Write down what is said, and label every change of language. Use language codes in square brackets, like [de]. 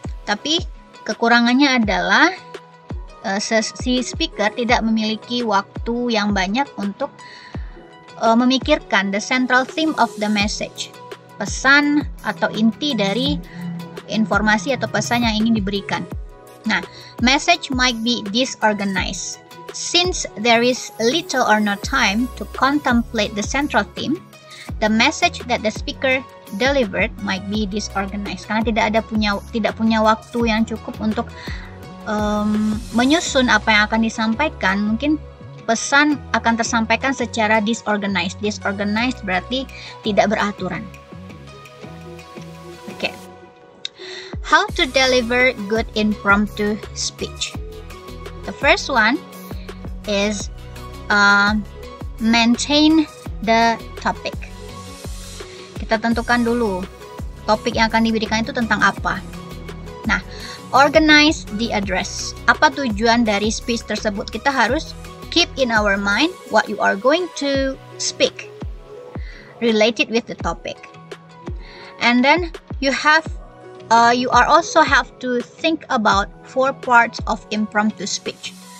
[id] Tapi kekurangannya adalah si speaker tidak memiliki waktu yang banyak untuk memikirkan [en] the central theme of the message, [id] pesan atau inti dari informasi atau pesan yang ingin diberikan. [en] Nah, message might be disorganized. Since there is little or no time to contemplate the central theme, the message that the speaker delivered might be disorganized. [id] Karena tidak punya waktu yang cukup untuk menyusun apa yang akan disampaikan, mungkin pesan akan tersampaikan secara disorganized. Disorganized berarti tidak beraturan. [en] Okay. How to deliver good impromptu speech? The first one is maintain the topic. [id] Kita tentukan dulu topik yang akan diberikan itu tentang apa. Nah, [en] organize the address. [id] Apa tujuan dari speech tersebut? Kita harus [en] keep in our mind what you are going to speak related with the topic. And then you also have to think about four parts of impromptu speech.